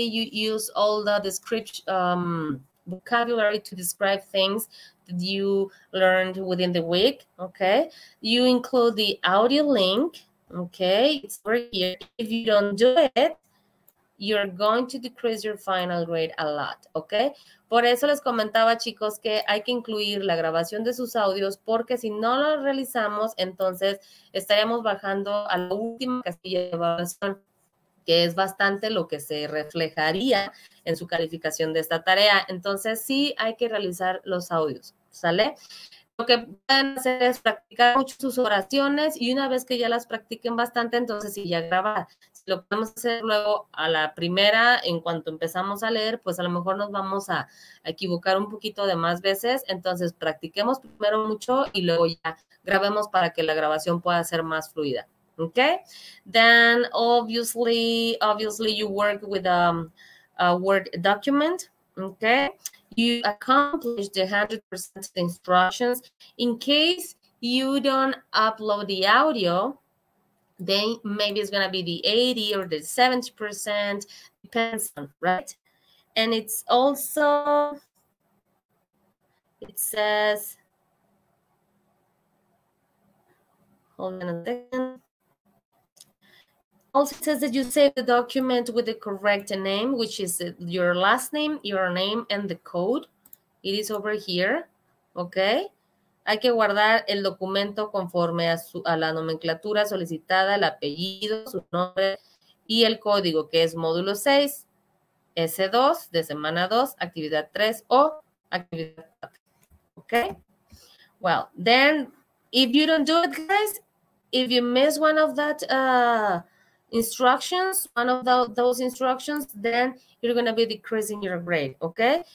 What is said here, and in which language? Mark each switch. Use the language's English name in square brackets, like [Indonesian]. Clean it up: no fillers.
[English] You use all the description vocabulary to describe things that you learned within the week. Okay? You include the audio link. Okay? It's right here. If you don't do it, you're going to decrease your final grade a lot, okay? [Spanish] Por eso les comentaba, chicos, que hay que incluir la grabación de sus audios, porque si no lo realizamos, entonces estaríamos bajando a la última casilla de evaluación, que es bastante lo que se reflejaría en su calificación de esta tarea. Entonces, sí hay que realizar los audios, ¿sale? Lo que pueden hacer es practicar mucho sus oraciones y una vez que ya las practiquen bastante, entonces sí ya grabar. Si lo podemos hacer luego a la primera, en cuanto empezamos a leer, pues a lo mejor nos vamos a equivocar un poquito de más veces. Entonces practiquemos primero mucho y luego ya grabemos para que la grabación pueda ser más fluida. [English] Okay? Then obviously you work with a Word document. Okay? You accomplish the 100% instructions. In case you don't upload the audio, then maybe it's gonna be the 80 or the 70%, depends on, right? And it says, hold on a second. Also says that you save the document with the correct name, which is your last name, your name, and the code. It is over here. Okay. [Spanish] Hay que guardar el documento conforme a la nomenclatura solicitada, el apellido, su nombre y el código, que es módulo 6, S2, de semana 2, actividad 3 o actividad 4. [English] Okay. Well, then, if you don't do it, guys, if you miss one of that, instructions, one of those instructions, then you're going to be decreasing your grade, okay?